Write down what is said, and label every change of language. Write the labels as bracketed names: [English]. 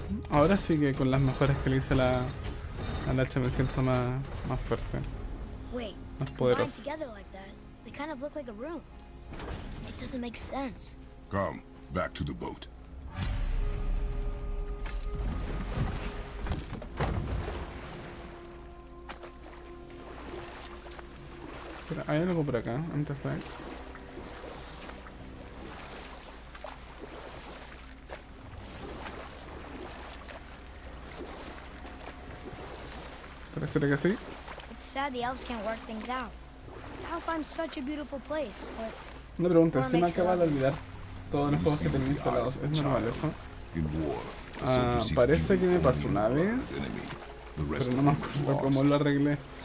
[Spanish] Ahora sí que con las mejoras que le hice al hacha me siento más fuerte. [English] Wait, [Spanish] más poderoso. [English] Together like that, they kind of look like a room. It doesn't make sense. Come back to the boat. [Spanish] Pero hay algo por acá antes de ahí. ¿Será que sí? [English] It's sad the elves can't work things out. How find such a beautiful place, but [Spanish] no pregunta, se me acaba de olvidar todos los juegos que tenía instalados. Es normal eso. Parece que me pasó una vez, pero no me acuerdo cómo lo arreglé.